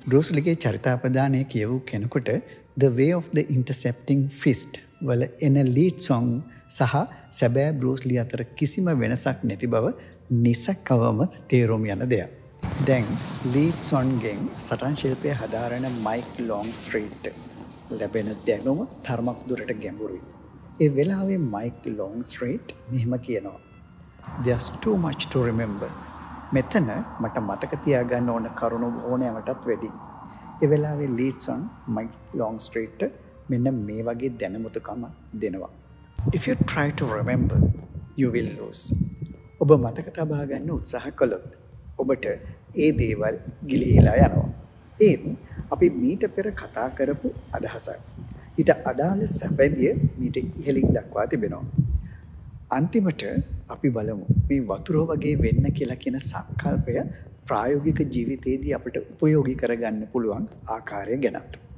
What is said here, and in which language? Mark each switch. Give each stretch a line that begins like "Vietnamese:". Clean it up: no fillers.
Sinhala: බෲස්ලිගේ චරිතාපදානයේ කියවූ කෙනෙකුට The Way of the Intercepting Fist වල එන ලීඩ් සොන් සහ සැබෑ බෲස්ලි අතර කිසිම වෙනසක් නැති බව නිසකවම තේරුම් යන දෙයක්. දැන් ලීඩ් සොන්ගෙන් සටන් ශිල්පය හදාරන මයික් ලොง ස්ට්‍රීට් ලැබෙන දැනුම තරමක් දුරට ගැඹුරුයි. ඒ වෙලාවේ මයික් ලොง ස්ට්‍රීට් මෙහෙම කියනවා.
English: There's too much to remember.
Sinhala: මෙතන මට මතක තියාගන්න ඕන කරුණු ඕනෑමටත් වැඩි. ඒ වෙලාවේ ලීඩ්සන් මයික් ලොง ස්ට්‍රීට් මෙන්න මේ වගේ දැනුමුතුකම දෙනවා.
English: If you try to remember, you will lose.
Sinhala: ඔබ මතක තබා ගන්න උත්සාහ කළොත් ඔබට ඒ දේවල් ගිලිහිලා යනවා. ඒත් අපි මීට පෙර කතා කරපු අදහසක්. ඊට අදාළ සැපදිය මීට ඉහළින් දක්වා තිබෙනවා. අන්තිමට අපි බලමු මේ වතුර වගේ වෙන්න කියලා කියන සංකල්පය ප්‍රායෝගික ජීවිතයේදී අපිට උපයෝගී කරගන්න පුළුවන් ආකාරය ගැනත්.